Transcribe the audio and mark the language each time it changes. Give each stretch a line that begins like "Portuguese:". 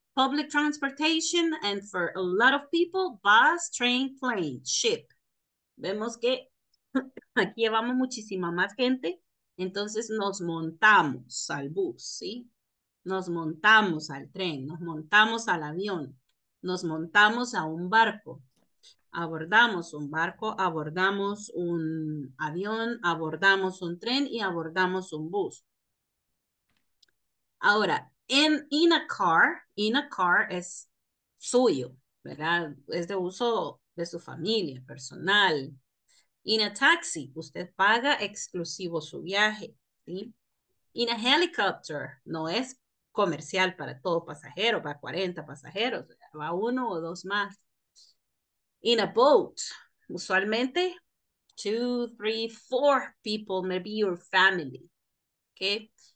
English: Public transportation, and for a lot of people, bus, train, plane, ship.
Spanish: Vemos que aquí llevamos muchísima más gente, entonces nos montamos al bus, ¿sí? Nos montamos al tren, nos montamos al avión, nos montamos a un barco, abordamos un barco, abordamos un avión, abordamos un tren y abordamos un bus. Ahora,
English: in a car
Spanish: es suyo, ¿verdad? Es de uso de su familia, personal.
English: In a taxi,
Spanish: usted paga exclusivo su viaje, ¿sí?
English: In a helicopter,
Spanish: no es comercial para todo pasajero, para 40 pasajeros, va uno o dos más.
English: In a boat,
Spanish: usualmente,
English: 2, 3, 4 people, maybe your family, ¿ok?